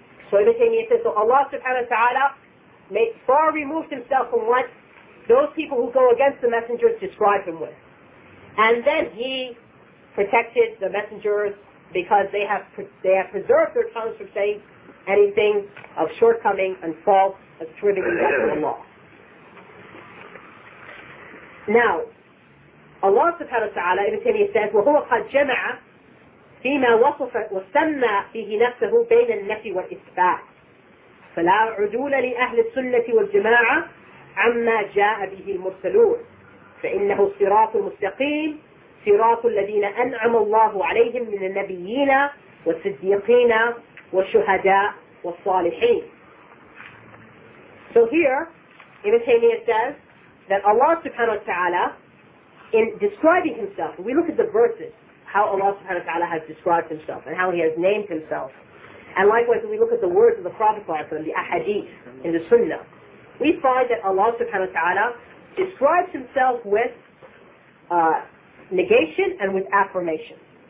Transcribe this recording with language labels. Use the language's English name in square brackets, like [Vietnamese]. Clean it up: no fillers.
[English] So Ibn Taymiyyah says, so Allah subhanahu wa ta'ala made far removed himself from what those people who go against the messengers describe him with. And then he protected the messengers because they have preserved their tongues from saying anything of shortcoming and fault attributing that to Allah. Now, Allah subhanahu wa ta'ala, Ibn Taymiyyah says, [Arabic] وَهُوَ قَدْ جَمَعَ فِي مَا وَصَفَ وَسَمَّى فِيهِ نَفْسَهُ بَيْنَ النَّفِي وَالْإِثْبَاتِ فَلَا عُدُولَ لِأَهْلِ السُّنَّةِ وَالْجَمَاعَةِ عَمَّا جَاءَ بِهِ الْمُرْسَلُونَ فَإِنَّهُ الصِّرَاطُ الْمُسْتَقِيمُ صِرَاطُ الَّذِينَ أَنْعَمَ اللَّهُ عَلَيْهِمْ مِنَ النَّبِيِّينَ وَالصِّدِّيقِينَ والشهداء والصالحين. [English] So here, Ibn Taymiyyah says that Allah subhanahu wa ta'ala, in describing himself, we look at the verses, how Allah subhanahu wa ta'ala has described himself and how he has named himself. And likewise, we look at the words of the Prophet sallallahu alayhi wa sallam, the ahadith in the sunnah, we find that Allah subhanahu wa ta'ala describes himself with negation and with affirmation.